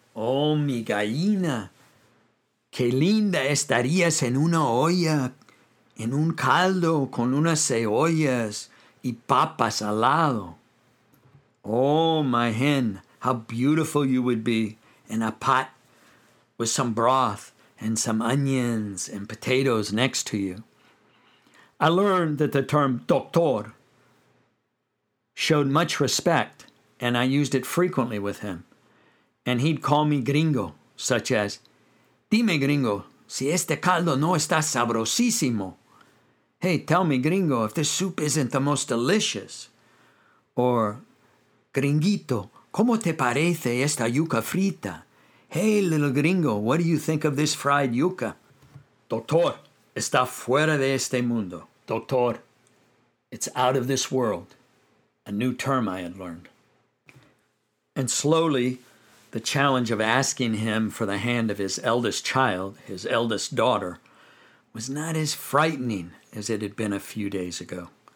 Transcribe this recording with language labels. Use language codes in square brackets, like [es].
[es] Oh, mi gallina, qué linda estarías en una olla, en un caldo con unas cebollas y papas al lado. [en] Oh, my hen, how beautiful you would be in a pot with some broth and some onions and potatoes next to you. I learned that the term doctor showed much respect, and I used it frequently with him. And he'd call me gringo, such as, [es] dime gringo, si este caldo no está sabrosísimo. [en] Hey, tell me gringo, if this soup isn't the most delicious. [es] Or, gringuito, ¿cómo te parece esta yuca frita? [en] Hey, little gringo, what do you think of this fried yuca? [es] Doctor, está fuera de este mundo. [en] Doctor, it's out of this world. A new term I had learned. And slowly, the challenge of asking him for the hand of his eldest child, his eldest daughter, was not as frightening as it had been a few days ago.